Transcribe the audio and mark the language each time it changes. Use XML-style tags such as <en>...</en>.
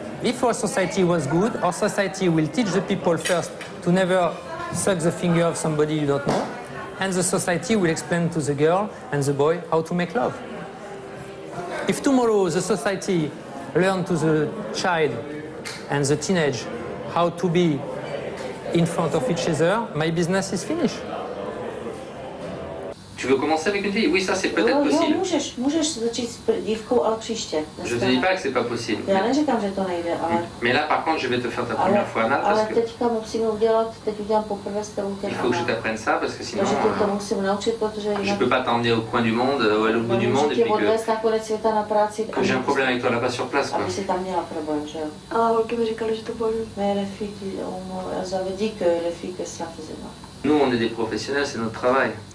<en>If our society was good, our society will teach the people first to never suck the finger of somebody you don't know, and the society will explain to the girl and the boy how to make love. If tomorrow the society learned to the child and the teenage how to be in front of each other, my business is finished.</en> <fr>Tu veux commencer avec une fille? Oui, ça c'est peut-être no, possible.</fr> <cs>Můžeš začít s dívkou a příště.</cs> <fr>Je ne te dis pas que c'est pas possible.</fr> <cs>Já neříkám, že to nejde, ale...</cs> <fr>Mais là par contre, je vais te faire ta première fois, Anna, parce que...</fr> <cs>Ale teďka musím udělat, teď udělám poprvé s tebou těch.</cs> <fr>Il faut que je t'apprenne ça, parce que sinon...</fr> <cs>Takže teď to musím naučit, protože...</cs> <fr>Je peux pas t'emmener au coin du monde, ou à l'autre bout du monde, et puis que...</fr> <cs>Musím tě odvést na konec světa na práci...</cs> <fr>Que j'ai un problème avec toi là-bas sur place, quoi.</fr> <cs>Aby si tam měla problém, že jo. Ale holky mi říkali, že to bolí.</cs> <fr>Mais les filles, on m'a dit que les filles, que ça faisait mal. Nous, on est des professionnels, c'est notre travail.</fr>